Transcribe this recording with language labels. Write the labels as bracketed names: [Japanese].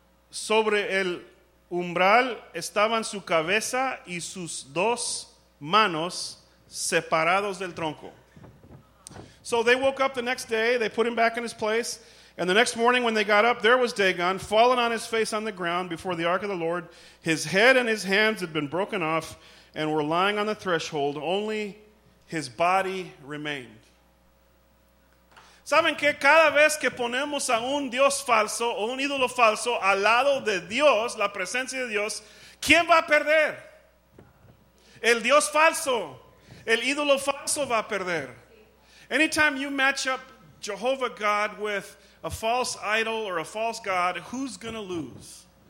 [Spanish] Sobre el umbral estaban su cabeza y sus dos manos separados del tronco. [English] So they woke up the next day, they put him back in his place, and the next morning when they got up, there was Dagon fallen on his face on the ground before the ark of the Lord. His head and his hands had been broken off and were lying on the threshold. Only his body remained. [Spanish] ¿Saben que cada vez que ponemos a un Dios falso o un ídolo falso al lado de Dios, la presencia de Dios, ¿quién va a perder? El Dios falso. El ídolo falso va a perder. [English] Anytime you match up Jehovah God with a false idol or a false god, who's going to lose?